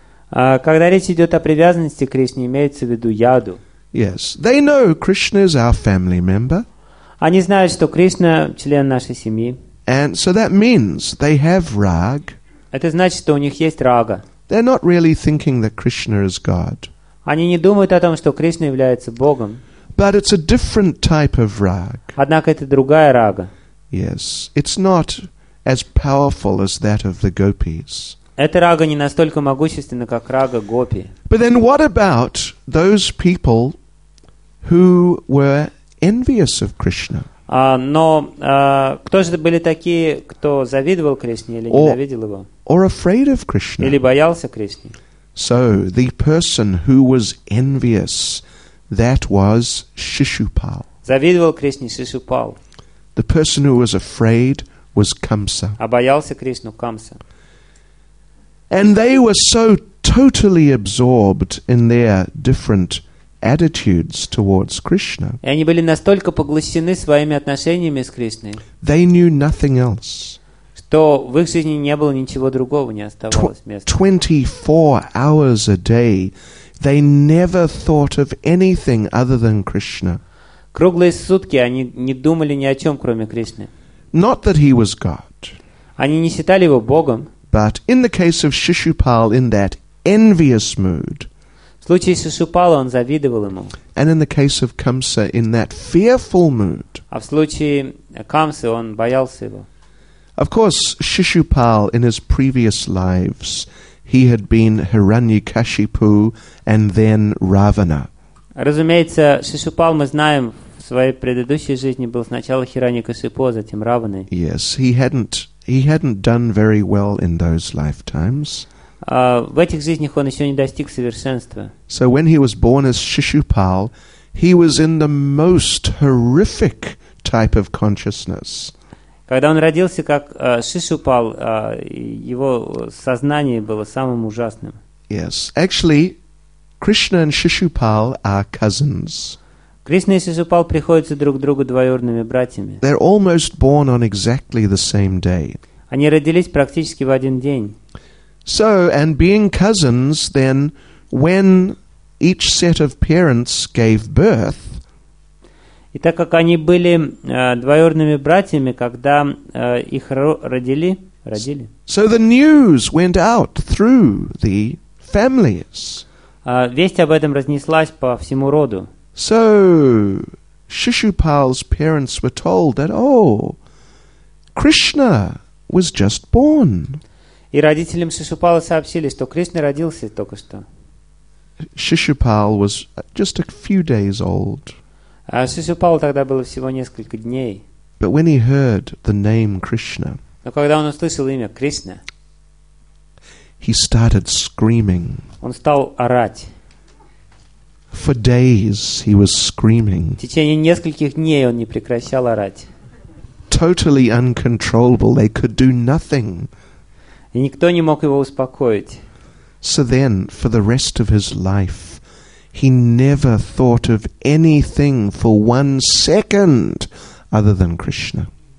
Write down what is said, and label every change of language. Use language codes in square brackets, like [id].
[ru] Когда речь идет о привязанности к Кришне, имеется в виду яду. [en] Yes, they know Krishna is our family member. [ru] Они знают, что Кришна член нашей семьи. [en] And so that means they have rag. [ru] Это значит, что у них есть рага. [en] They're not really thinking that Krishna is God. [ru] Они не думают о том, что Кришна является Богом. [en] But it's a different type of rag. [ru] Однако это другая рага. [en] Yes, it's not as powerful as that of the gopis. [ru] Эта рага не настолько могущественна, как рага гопи. [en] But then what about those people who were envious of Krishna? [ru] Кто же были такие, кто завидовал Кришне или ненавидел его? [en] Or afraid of Krishna? [ru] Или боялся Кришны? [en] So the person who was envious, that was Shishupal. [ru] Завидовал Кришне Шишупал. [en] The person who was afraid was Камса. [ru] А боялся Кришну Камса. [en] And they were so totally absorbed in their different attitudes towards Krishna. [ru] И они были настолько поглощены своими отношениями с Кришной. [en] They knew nothing else. [ru] Что в их жизни не было ничего другого, не оставалось места. [en] 24 hours a day, they never thought of anything other than Krishna. [ru] Круглые сутки они не думали ни о чем, кроме Кришны. [en] Not that he was God. [ru] Они не считали его Богом. [en] But in the case of Shishupal, in that envious mood, [ru] в случае с Шишупалом он завидовал ему. [en] And in the case of Kamsa, in that fearful mood, [ru] а в случае Камсы он боялся его. [en] Of course, Shishupal, in his previous lives, he had been Hiranyakashipu and then Ravana. [ru] Разумеется, Шишупал, мы знаем, в своей предыдущей жизни был сначала Хираньякашипу, а затем Раваной. [en] Yes, he hadn't done very well in those lifetimes. [ru] В этих жизнях он еще не достиг совершенства. [en] So when he was born as Shishupal, he was in the most horrific type of consciousness. [ru] Когда он родился, как Шишупал, его сознание было самым ужасным. [en] Yes, actually, Krishna and Shishupal are cousins. [ru] Кришна и Шишупал приходятся друг другу двоюродными братьями. [en] They're almost born on exactly the same day. [ru] Они родились практически в один день. [en] So, and being cousins, then, when each set of parents gave birth, [ru] и так как они были двоюродными братьями, когда их родили, [en] so the news went out through the families. [ru] Весть об этом разнеслась по всему роду. [en] So, Shishupal's parents were told that, oh, Krishna was just born. [ru] И родителям Шишупала сообщили, что Кришна родился только что. [en] Shishupal was just a few days old. [ru] А Шишупалу тогда было всего несколько дней. [en] But when he heard the name Krishna, [ru] но когда он услышал имя Кришна, [en] he started screaming. [ru] Он стал орать. [en] For days he was screaming. [ru] В течение нескольких дней он не прекращал орать. [en] Totally uncontrollable, they could do nothing. [ru] И никто не мог его успокоить. [en] So then, for the rest of his life, he never thought of anything for one second other than Krishna.